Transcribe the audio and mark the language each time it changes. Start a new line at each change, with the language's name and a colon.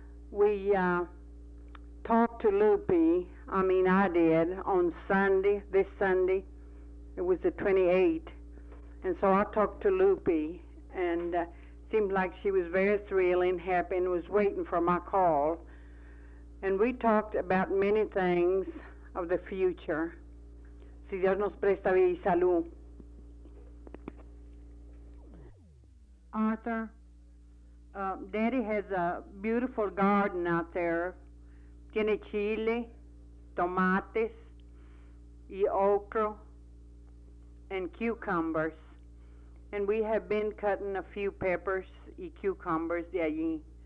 English: We talked to Loopy, I did, on Sunday, this Sunday. It was the 28th. And so I talked to Loopy and seemed like she was very thrilling, happy, and was waiting for my call. And we talked about many things of the future.
Spanish: Si Dios nos presta vida y salud.
English: Arthur, Daddy has a beautiful garden out there.
Spanish: Tiene chile, tomates, y okra,
English: and cucumbers. And we have been cutting a few peppers y cucumbers
Spanish: de allí.